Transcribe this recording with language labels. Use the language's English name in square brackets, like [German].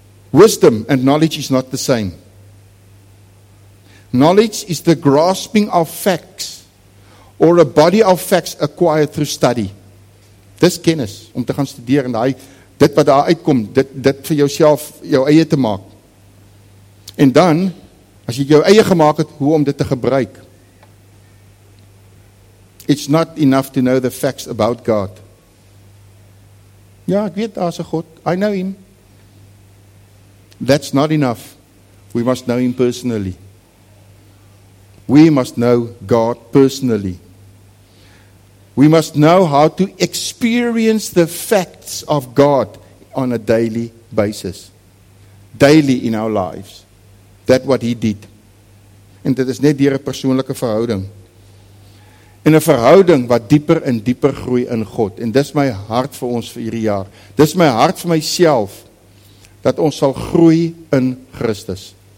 [English] Wisdom and knowledge is not the same. Knowledge is the grasping of facts or a body of facts acquired through study. [Afrikaans] Dis kennis om te gaan studeer en dit wat daar uitkom, dit vir jouself jou eie te maak. En dan as jy jou eie gemaak het, hoe om dit te gebruik. [English] It's not enough to know the facts about God. [Afrikaans] Ja, ek weet daar's 'n God. [English] I know him. That's not enough. We must know him personally. We must know God personally. We must know how to experience the facts of God on a daily basis. Daily in our lives. That what he did. [Afrikaans] En dit is net deur 'n persoonlike verhouding. En 'n verhouding wat dieper en dieper groei in God. En dis my hart vir ons vir hierdie jaar. Dis my hart vir myself. Dat ons sal groei in Christus.